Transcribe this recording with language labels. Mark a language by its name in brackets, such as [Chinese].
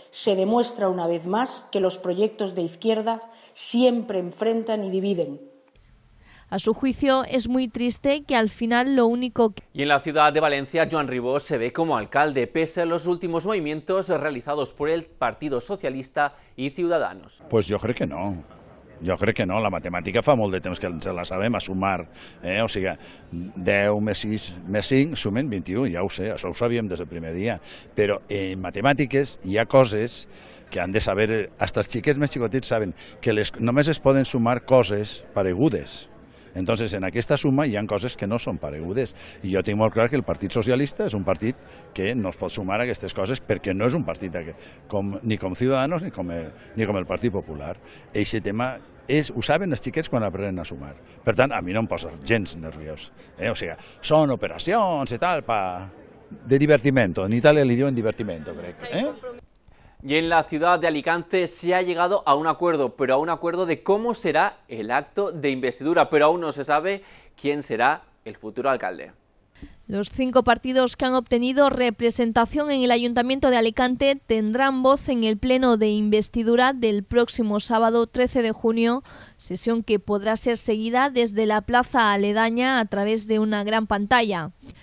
[Spanish] Se demuestra una vez más que los proyectos de izquierda siempre enfrentan y dividen. A su juicio, es muy triste que al final lo único que... Y en la ciudad de Valencia, Joan Ribó se ve como alcalde, pese a los últimos movimientos realizados por el Partido Socialista y Ciudadanos. Pues yo creo que no. [Catalan] Jo crec que no, la matemàtica fa molt de temps que ens la sabem, a sumar, o sigui, 10 més 6 més 5 sumen 21, ja ho sé, això ho sabíem des del primer dia, però en matemàtiques hi ha coses que han de saber, fins els xiquets més xicotits saben, que només es poden sumar coses paregudes. Entonces, en aquesta suma hi ha coses que no són paregudes. I jo tinc molt clar que el Partit Socialista és un partit que no es pot sumar a aquestes coses perquè no és un partit ni com Ciudadanos ni com el Partit Popular. Eixe tema ho saben els xiquets quan aprenen a sumar. Per tant, a mi no em posa gens nerviós. O sigui, són operacions i tal, de divertimento. En Itàlia li diuen divertimento, crec. [Spanish] Y en la ciudad de Alicante se ha llegado a un acuerdo, pero a un acuerdo de cómo será el acto de investidura, pero aún no se sabe quién será el futuro alcalde. Los cinco partidos que han obtenido representación en el Ayuntamiento de Alicante tendrán voz en el pleno de investidura del próximo sábado 13 de junio, sesión que podrá ser seguida desde la plaza aledaña a través de una gran pantalla.